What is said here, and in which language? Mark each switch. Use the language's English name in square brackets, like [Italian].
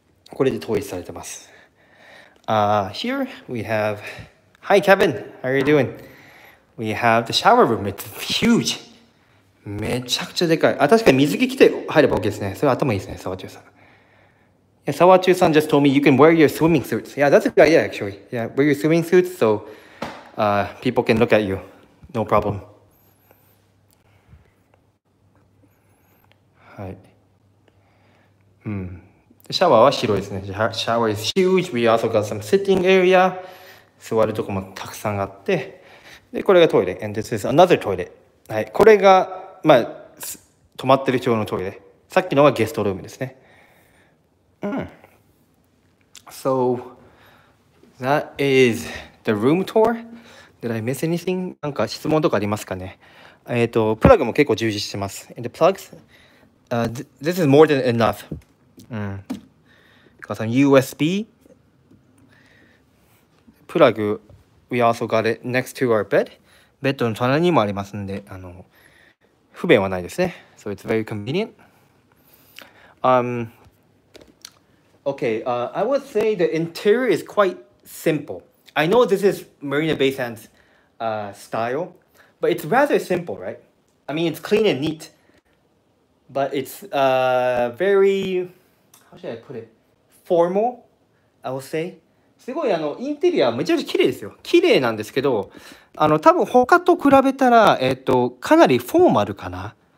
[Japanese] これで統一されてます。 [English] Here we have... Hi, Kevin. How are you doing? We have the shower room. It's huge. [Japanese] めちゃくちゃでかい。あ、確かに水着着て入れば OK ですね。それは頭いいですね、沢中さん。 [English] Yeah, 沢中さん just told me you can wear your swimming suits. Yeah, that's a good idea, actually. Yeah, wear your swimming suits so、people can look at you. No problem. [Japanese] はい。シャワーは白いですね。 [English] Shower is huge. We also got some sitting area. [Japanese] 座るとこもたくさんあって。で、これがトイレ。 [English] And this is another toilet. はい。 [Japanese] これがまあ、泊まってる人のトイレ。さっきのがゲストルームですね。 [English] So that is the room tour. Did I miss anything? [Japanese] なんか質問とかありますかね。プラグも結構充実してます。 [English] And the plugs? This is more than enough.、Got some USB. プラグ、we also got it next to our bed. [Japanese] ベッドの棚にもありますんで、不便はないですね。 [English] So it's very convenient. I would say the interior is quite simple. I know this is Marina Bay Sands、style, but it's rather simple, right? I mean, it's clean and neat. But it's very, how should I put it? Formal, I will say. [Japanese] すごいインテリアめちゃくちゃ綺麗ですよ。綺麗なんですけど、多分他と比べたら、かなりフォーマルかな。